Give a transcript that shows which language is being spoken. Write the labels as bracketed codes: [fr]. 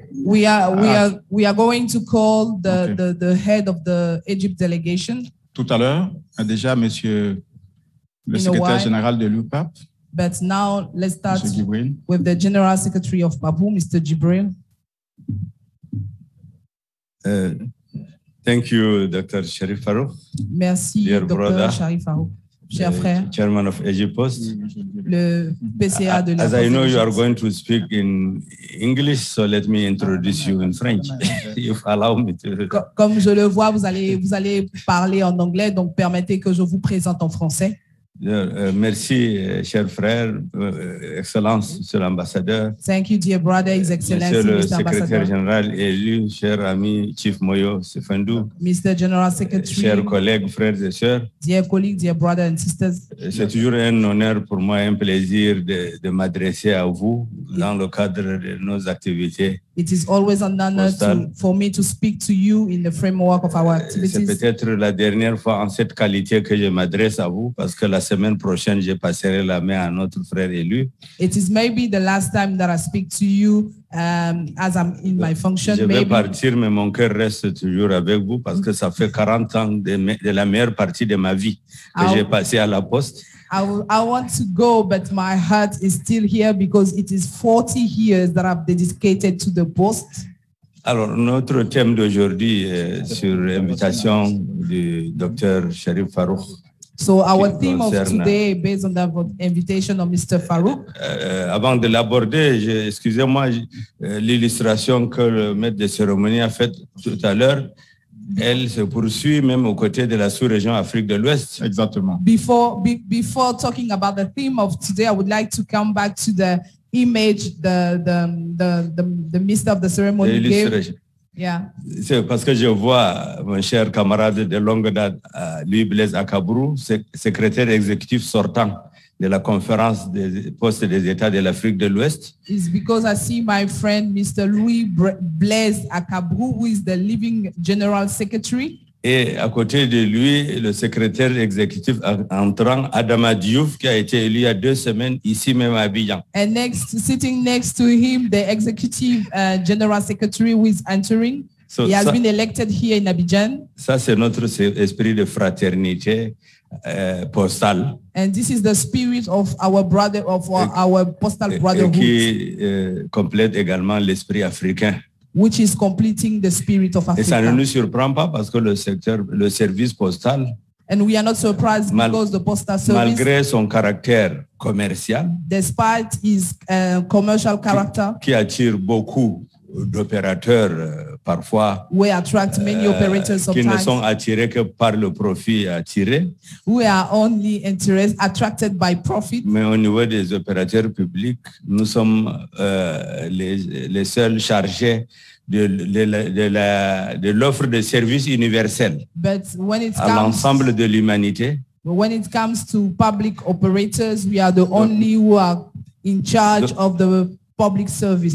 [en] We are going to call the head of the Egypt delegation. [fr] Tout à l'heure, déjà, monsieur le secrétaire général de l'UPAP. [en] But now let's start with the General Secretary of PAPU, Mr. Jibril. Thank you, Dr. Sharif Farouk. [fr] Merci, [en] dear Dr. Brother, Sharif Farouk, [fr] cher frère. [en] Chairman of EGPOST. [fr] Le PCA de l'EGPOST. [en] As I know, you are going to speak in English, so let me introduce you in French, if allow me to. [fr] Comme je le vois, vous allez parler en anglais, donc permettez que je vous présente en français. Merci, cher frère, Excellence, Monsieur l'Ambassadeur. [en] Thank you, dear brother, His Excellency, [fr] Monsieur le Secrétaire général élu, cher ami Chief Moyo Sefendu. [en] Mr. General Secretary. [fr] Chers collègues, frères et sœurs. [en] Dear colleagues, dear brothers and sisters. [fr] C'est toujours un honneur pour moi, un plaisir de m'adresser à vous dans le cadre de nos activités. [en] It is always an honor for me to speak to you in the framework of our activities. [fr] C'est peut-être la dernière fois en cette qualité que je m'adresse à vous, parce que la semaine prochaine, je passerai la main à notre frère élu. [en] It is maybe the last time that I speak to you as I'm in my function. [fr] Je vais partir, mais mon cœur reste toujours avec vous, parce que ça fait 40 ans de la meilleure partie de ma vie que j'ai passé à la poste. [en] I want to go, but my heart is still here because it is 40 years that I've dedicated to the post. [fr] Alors, notre thème d'aujourd'hui est sur invitation du Dr. Sharif Farouk. [en] So our theme of today, based on that invitation of Mr. Farouk. [fr] Avant de l'aborder, excusez-moi, l'illustration que le maître de cérémonie a faite tout à l'heure, elle se poursuit même aux côtés de la sous-région Afrique de l'Ouest. Exactement. [en] Before talking about the theme of today, I would like to come back to the image the minister of the ceremony gave. Yeah. [fr] C'est parce que je vois mon cher camarade de longue date, Louis Blaise Akabrou, secrétaire exécutif sortant de la conférence des postes des États de l'Afrique de l'Ouest. [en] It's because I see my friend Mr. Louis Blaise Akabrou, who is the living general secretary. [fr] Et à côté de lui, le secrétaire exécutif entrant, Adama Diouf, qui a été élu il y a 2 semaines, ici même à Abidjan. [en] And next, sitting next to him, the executive general secretary who is entering. So he has been elected here in Abidjan. [fr] Ça, c'est notre esprit de fraternité postale. [en] And this is the spirit of our brother, of our postal brotherhood. [fr] Qui complète également l'esprit africain. [en] Which is completing the spirit of Africa. [fr] Et ça ne nous surprend pas parce que le service postal. [en] And we are not surprised because the postal service. [fr] Malgré son caractère commercial. [en] Despite his commercial character. [fr] Qui attire beaucoup d'opérateurs parfois. [en] We attract many operators sometimes. [fr] Qui ne sont attirés que par le profit attiré. [en] We are only attracted by profit. [fr] Mais au niveau des opérateurs publics, nous sommes les seuls chargés de l'offre de services universels à l'ensemble de l'humanité. [en] But when it comes to public operators, we are the only who are in charge of the public service,